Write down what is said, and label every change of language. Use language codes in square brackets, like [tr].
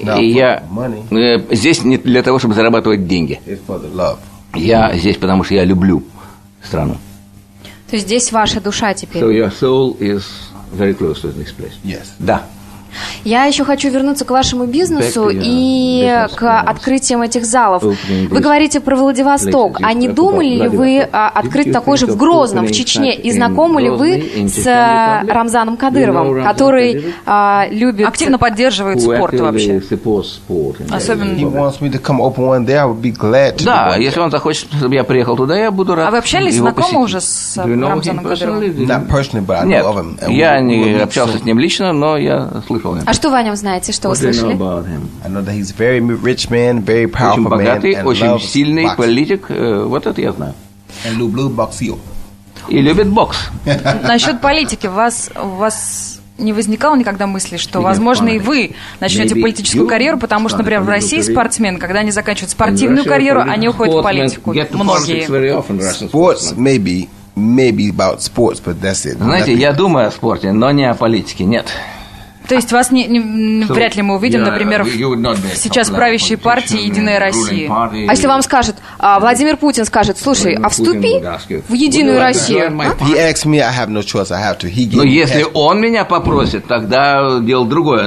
[ru] Здесь не для того, чтобы зарабатывать деньги. Я здесь, потому что я люблю страну. То есть здесь ваша душа теперь. [en] So your soul is very close to this place. Yes. [ru] Да. Я еще хочу вернуться к вашему бизнесу и к открытиям этих залов. Вы говорите про Владивосток. А не думали ли вы открыть такой же в Грозном, в Чечне? И знакомы ли вы с Рамзаном Кадыровым, который любит... Активно поддерживает спорт вообще. Особенно... Да, если он захочет, чтобы я приехал туда, я буду рад. А вы общались, знакомы уже с Рамзаном Кадыровым? Нет, я не общался с ним лично, но я слышал. А что вы о нем знаете? Что вы слышали? [en] I know that he's very rich man, very powerful man, [ru] очень богатый, очень сильный политик. Вот это я знаю. [en] And love boxing. [ru] И любит бокс. Насчет политики, у вас не возникало никогда мысли, что, возможно, и вы начнете политическую карьеру, потому что, например, в России спортсмены, когда они заканчивают спортивную карьеру, они уходят в политику. Многие. [en] Sports maybe, maybe about sports, but that's it. [ru] Знаете, я думаю о спорте, но не о политике. Нет. То есть вас вряд ли мы увидим, например, сейчас правящей партии «Единая Россия». А если вам скажет, Владимир Путин скажет, слушай, а вступи в «Единую Россию». А? Но если он меня попросит, тогда дело другое.